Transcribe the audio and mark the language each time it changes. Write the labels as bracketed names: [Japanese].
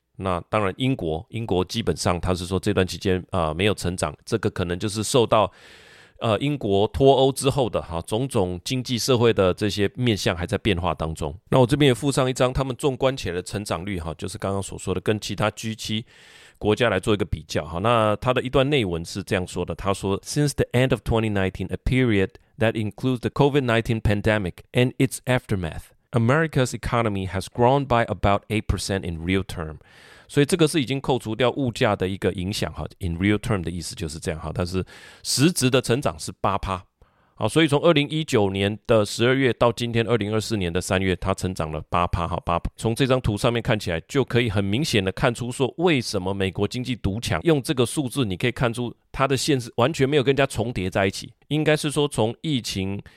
[Chinese] 那当然英国基本上它是说这段期间没有成长，这个可能就是受到英国脱欧之后的种种经济社会的这些面向还在变化当中。那我这边也附上一张他们纵观起来的成长率，就是刚刚所说的跟其他 G7 国家来做一个比较。那他的一段内文是这样说的，他说 [English] Since the end of 2019, a period that includes the COVID-19 pandemic and its aftermath, America's economy has grown by about 8% in real term. [Chinese] 所以这个是已经扣除掉物价的一个影响 [English] in real term [Chinese] 的意思就是这样，但是实质的成长是 8%， 所以从2019年的12月到今天2024年的3月它成长了 8%， 从这张图上面看起来就可以很明显的看出说为什么美国经济独强，用这个数字你可以看出它的线是完全没有跟人家重叠在一起，应该是说从疫情